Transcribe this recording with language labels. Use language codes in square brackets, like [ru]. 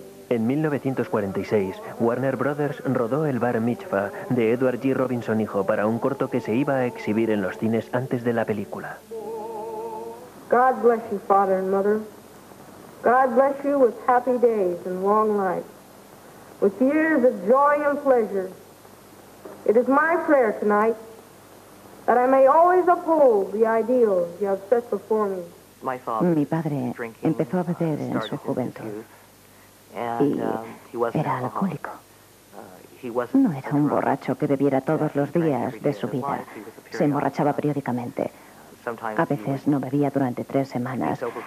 [es] En 1946, Warner Brothers rodó el Bar Mitzvah de Edward G. Robinson hijo para un corto que se iba a exhibir en los cines antes de la película. [en] God bless you, father and mother. God bless you with happy days and long life. With years of joy and pleasure, it is my prayer tonight that I may always uphold the ideals you have set before me. [es] Mi padre empezó a beber en su juventud y era alcohólico. No era un borracho que bebiera todos los días de su vida. Se emborrachaba periódicamente. A veces no bebía durante 3 semanas.